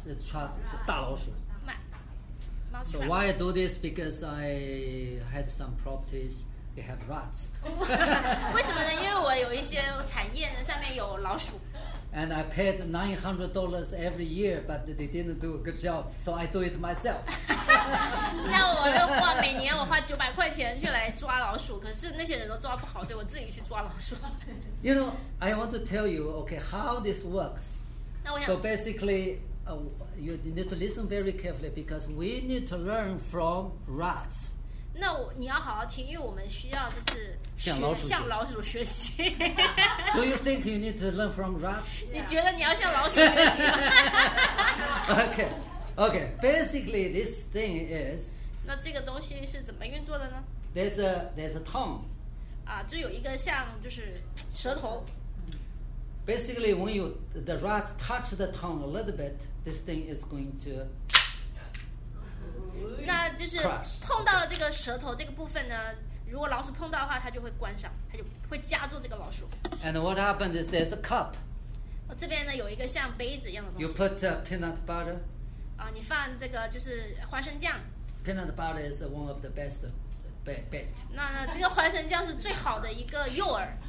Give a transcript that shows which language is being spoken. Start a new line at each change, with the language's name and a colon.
English: The trap,
Chinese: 大老鼠。
English: So why I do this? Because I had some properties. They have rats.
Chinese: 为什么呢？因为我有一些产业呢，上面有老鼠。
English: And I paid $900 every year, but they didn't do a good job. So I do it myself.
Chinese: 那我就花每年我花900块钱去来抓老鼠，可是那些人都抓不好，所以我自己去抓老鼠。
English: You know, I want to tell you, okay, how this works.
Chinese: 那我想。
English: So basically. You need to listen very carefully because we need to learn from rats.
Chinese: 那你要好好听，因为我们需要就是向老鼠学习。
English: Do you think you need to learn from rats?
Chinese: 你觉得你要向老鼠学习吗？
English: Okay. Basically, this thing is.
Chinese: 那这个东西是怎么运作的呢？
English: There's a tongue.
Chinese: 就有一个像就是舌头。
English: Basically, when you the rat touch the tongue a little bit, this thing is going to.
Chinese: 那就是碰到这个舌头这个部分呢，如果老鼠碰到的话，它就会关上，它就会夹住这个老鼠。
English: And what happens is there's a cup.
Chinese: 这边呢有一个像杯子一样的东西。
English: You put peanut butter.
Chinese: 你放这个就是花生酱。
English: Peanut butter is one of the best bait. 那这个花生酱是最好的一个诱饵。